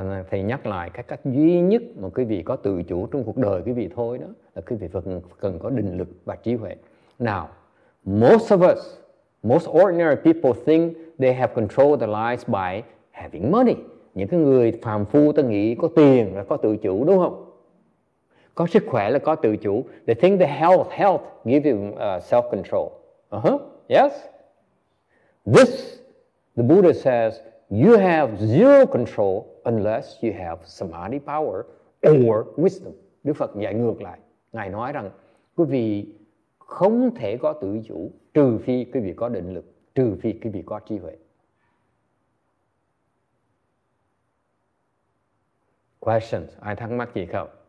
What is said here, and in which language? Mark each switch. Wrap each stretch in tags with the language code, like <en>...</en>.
<vi>Thầy nhắc lại cái cách duy nhất mà quý vị có tự chủ trong cuộc đời quý vị thôi đó, là quý vị cần có định lực và trí huệ.</vi> <en>Now, most of us, most ordinary people think they have control their lives by having money.</en> <vi>Những cái người phàm phu ta nghĩ có tiền là có tự chủ, đúng không? Có sức khỏe là có tự chủ.</vi> <en>They think the health gives them self-control. Yes? This, the Buddha says, you have zero control unless you have samadhi power or wisdom.</en> <vi>Đức Phật dạy ngược lại. Ngài nói rằng, quý vị không thể có tự chủ trừ phi quý vị có định lực, trừ phi quý vị có trí huệ.</vi> <en>Questions?</en> <vi>Ai thắc mắc gì không?</vi>